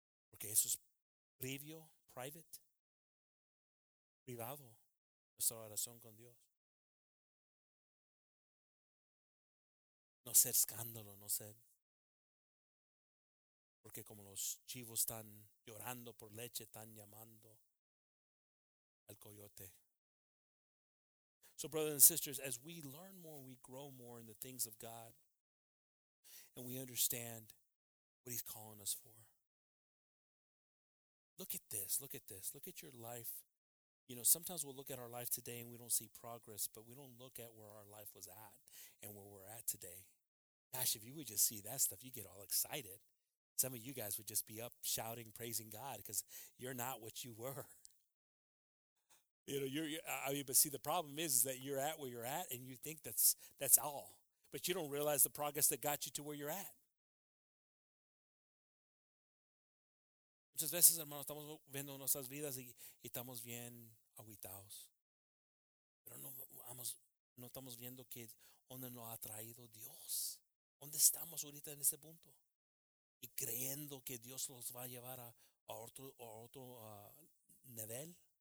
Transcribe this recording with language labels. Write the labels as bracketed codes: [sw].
[es] Porque eso es privado, nuestra oración con Dios. No ser escándalo, no ser Porque como los chivos están llorando por leche, están llamando al coyote. [en] So brothers and sisters, as we learn more, we grow more in the things of God, and we understand what he's calling us for. Look at this, look at this, look at your life. You know, sometimes we'll look at our life today and we don't see progress, but we don't look at where our life was at and where we're at today. Gosh, if you would just see that stuff, you get all excited. Some of you guys would just be up shouting, praising God, because you're not what you were. You know, but see, the problem is that you're at where you're at and you think that's all. But you don't realize the progress that got you to where you're at. [es] Muchas veces, hermano, estamos viendo nuestras vidas y estamos bien agüitados. Pero no estamos viendo que donde nos ha traído Dios. ¿Dónde estamos ahorita en ese punto? Y creyendo que Dios los va a llevar a otro nivel.